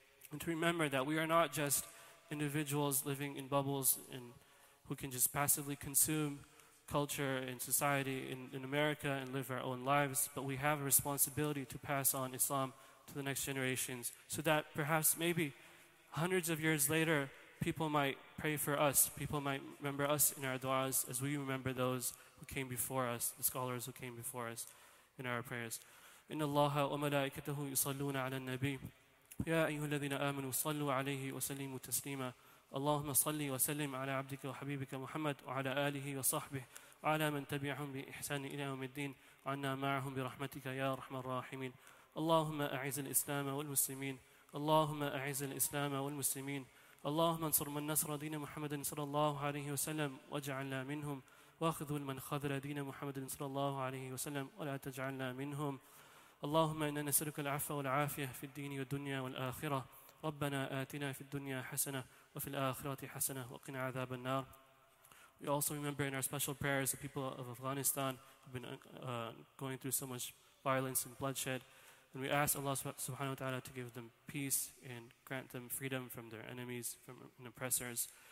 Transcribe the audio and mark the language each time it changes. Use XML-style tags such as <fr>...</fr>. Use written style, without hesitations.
<en>And to remember that we are not just individuals living in bubbles and who can just passively consume culture and society in America and live our own lives, but we have a responsibility to pass on Islam to the next generations so that perhaps maybe hundreds of years later, people might pray for us, people might remember us in our du'as as we remember those who came before us, the scholars who came before us in our prayers.</en> <ar>إِنَّ اللَّهَ وَمَلَائِكَتَهُ يُصَلُّونَ عَلَى النَّبِيِّ يَا أَيُّهَا الَّذِينَ آمَنُوا صَلُّوا عَلَيْهِ وَسَلِّمُوا تَسْلِيمًا اللهم صل وسلم على عبدك وحبيبك محمد وعلى آله وصحبه وعلى من تبعهم بإحسان إلى يوم الدين وعنا معهم برحمتك يا أرحم الراحمين اللهم أعز الإسلام والمسلمين اللهم أعز الإسلام والمسلمين اللهم انصر من نصر دين محمد صلى الله عليه وسلم واجعلنا منهم واخذ من خذل دين محمد صلى الله عليه وسلم ولا تجعلنا منهم اللهم إنا نسألك العفو والعافية في الدين والدنيا والآخرة ربنا آتنا في الدنيا حسنة وفي الآخرة حسنة وقنا عذاب النار.</ar> <en>We also remember in our special prayers the people of Afghanistan who've been going through so much violence and bloodshed. And we ask Allah subhanahu wa ta'ala to give them peace and grant them freedom from their enemies, from oppressors.</en>